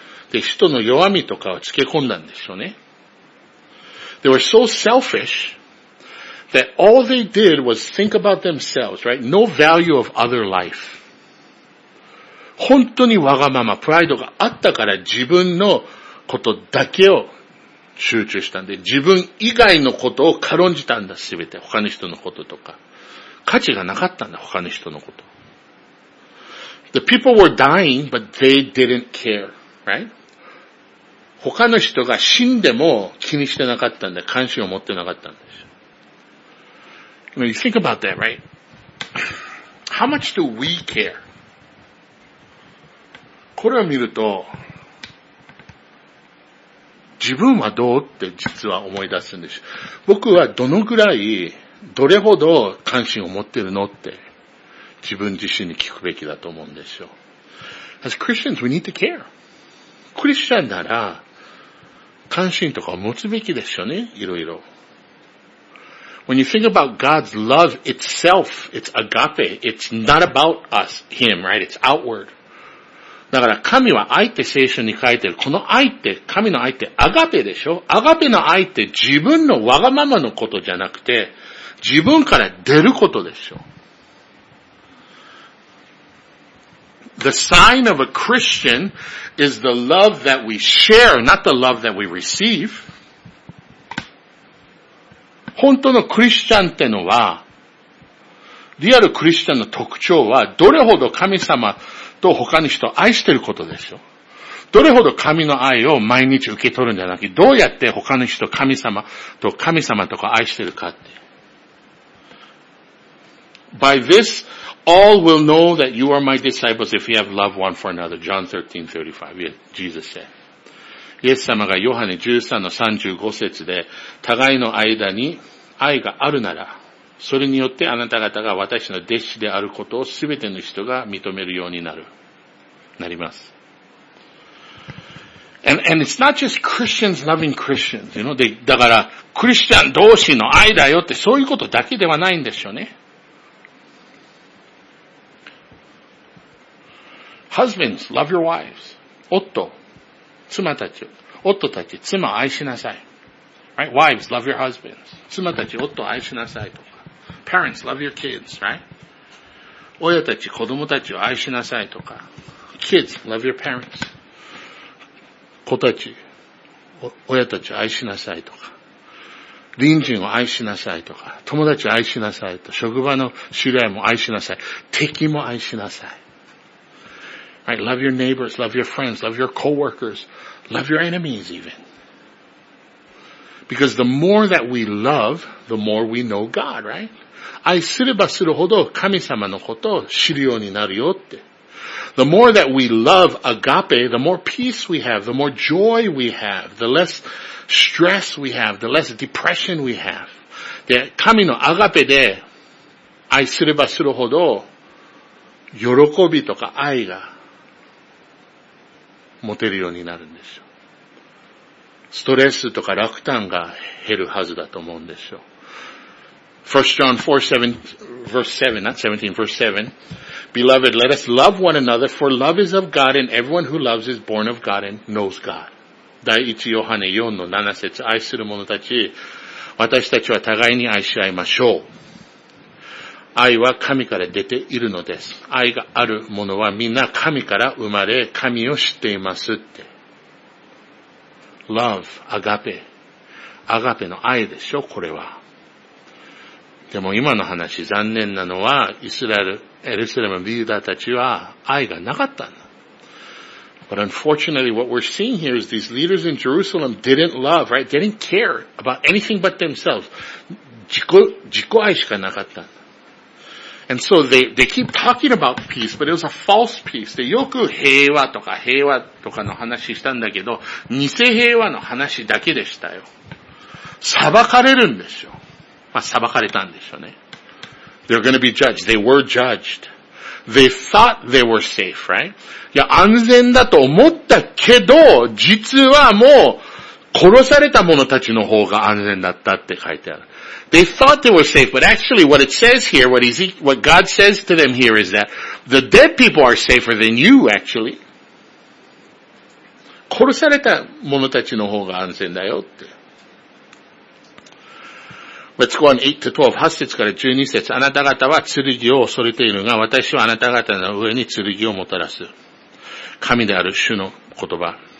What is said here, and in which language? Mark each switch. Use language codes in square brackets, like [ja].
[ja] で、人の弱みとかをつけ込んだんでしょうね。 [en] They were so selfish that all they did was think about themselves, right? No value of other life. [ja] 本当にわがまま、プライドがあったから自分のことだけを集中したんで、自分以外のことを軽んじたんだ、すべて。他の人のこととか。価値がなかったんだ、他の人のこと。 [en] The people were dying, but they didn't care, right? [ja] 他の人が死んでも気にしてなかったんで、関心を持ってなかったんです。 [en] You know, you think about that, right? How much do we care? [ja] これを見ると、自分はどうって実は思い出すんです。僕はどのくらい、どれほど関心を持ってるのって自分自身に聞くべきだと思うんですよ。 [en] As Christians, we need to care. [ja] クリスチャンなら関心とか持つべきですよね、いろいろ。 [en] When you think about God's love itself, it's agape. It's not about us, Him, right? It's outward. [ja] だから神は愛って聖書に書いてる。この愛って、神の愛ってアガペでしょ？アガペの愛って自分のわがままのことじゃなくて、自分から出ることでしょ。 [en] The sign of a Christian is the love that we share, not the love that we receive. [ja] 本当のクリスチャンってのは、リアルクリスチャンの特徴は、どれほど神様、と他の人を愛していることでしょ。どれほど神の愛を毎日受け取るんじゃなくて、どうやって他の人、神様とか愛しているかって。 [en] By this, all will know that you are my disciples if you have love one for another. John 13:35. Yes, Jesus said. [ja] イエス様がヨハネ13の35節で、互いの間に愛があるなら、それによってあなた方が私の弟子であることをすべての人が認めるようになる、なります。 [en] And it's not just Christians loving Christians, you know? [ja] で、だから、クリスチャン同士の愛だよってそういうことだけではないんですよね。 [en] Husbands, love your wives. [ja] 夫たち、妻を愛しなさい。 [en] Right? Wives, love your husbands. [ja] 妻たち、夫を愛しなさいと。 [en] Parents, love your kids, right? [ja] 親たち、子供たちを愛しなさいとか。 [en] Kids, love your parents. [ja] 子たち、親たちを愛しなさいとか。隣人を愛しなさいとか。友達を愛しなさいと。職場の知り合いも愛しなさい。敵も愛しなさい。 [en] Right? Love your neighbors, love your friends, love your co-workers, love your enemies even. Because the more that we love, the more we know God, right? [ja] 愛すればするほど神様のことを知るようになるよって。 [en] The more that we love agape, the more peace we have, the more joy we have, the less stress we have, the less depression we have. [ja] で、神のアガペで愛すればするほど喜びとか愛が持てるようになるんですよ。ストレスとか落胆が減るはずだと思うんですよ。 [en] 1 John 4:7, Beloved, let us love one another, for love is of God, and everyone who loves is born of God and knows God. [ja] 第1ヨハネ 4-7 節、愛する者たち、私たちは互いに愛し合いましょう。愛は神から出ているのです。愛がある者はみんな神から生まれ、神を知っていますって。 Love, agape. Agape の愛でしょ、これは。でも今の話、残念なのは、イスラエル、エルサレムのリーダーたちは愛がなかったんだ。 [en] But unfortunately, what we're seeing here is these leaders in Jerusalem didn't love, right? They didn't care about anything but themselves. [ja] 自己愛しかなかったんだ。 [en] And so they keep talking about peace, but it was a false peace. [ja] でよく平和とかの話したんだけど、偽平和の話だけでしたよ。裁かれるんですよ。まあ、裁かれたんですよね。 [en] They're gonna be judged. They were judged. They thought they were safe, right? [ja] いや、安全だと思ったけど、実はもう、殺された者たちの方が安全だったって書いてある。 [en] They thought they were safe, but actually what it says here, what God says to them here is that the dead people are safer than you, actually. [ja] 殺された者たちの方が安全だよって。 [en] Let's go on 8-12. [ja] 8節から12節。あなた方は剣を恐れているが、私はあなた方の上に剣をもたらす。神である主の言葉。